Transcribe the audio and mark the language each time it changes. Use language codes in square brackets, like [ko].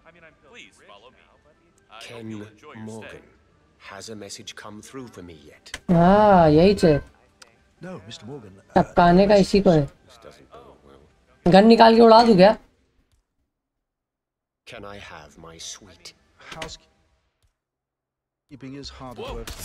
[en] I mean, I'm please follow me. Ken Morgan, has a message come through for me yet? Ah, yeah, it's it. No, Mr. Morgan. [hi] टपकाने का इसी को है. Gun निकाल के उड़ा दूँ क्या? [en] Can I have my suite? Housekeeping is hard work.